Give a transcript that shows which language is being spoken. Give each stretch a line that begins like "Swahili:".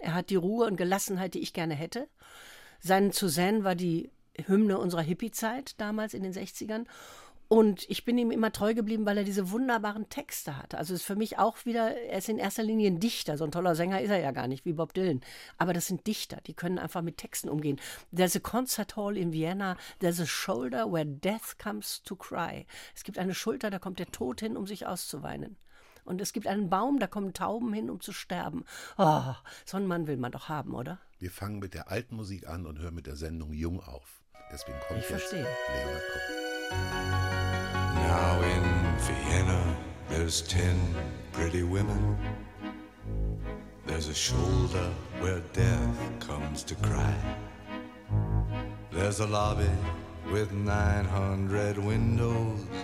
German: Er hat die Ruhe und Gelassenheit, die ich gerne hätte. Sein Zuzen war die Hymne unserer Hippie-Zeit damals in den 60ern. Und ich bin ihm immer treu geblieben, weil er diese wunderbaren Texte hatte. Also ist für mich auch wieder, er ist in erster Linie ein Dichter. So ein toller Sänger ist er ja gar nicht, wie Bob Dylan. Aber das sind Dichter, die können einfach mit Texten umgehen.
English: There's a concert hall in Vienna, there's a shoulder where death comes to cry.
German: Es gibt eine Schulter, da kommt der Tod hin, um sich auszuweinen. Und es gibt einen Baum, da kommen Tauben hin, um zu sterben. Oh, so einen Mann will man doch haben, oder? Wir fangen mit der alten Musik an und hören mit der Sendung jung auf. Deswegen kommt Ich jetzt verstehe. Leonard Cohen.
English: Now in Vienna, there's 10 pretty women. There's a shoulder where death comes to cry. There's a lobby with 900 windows.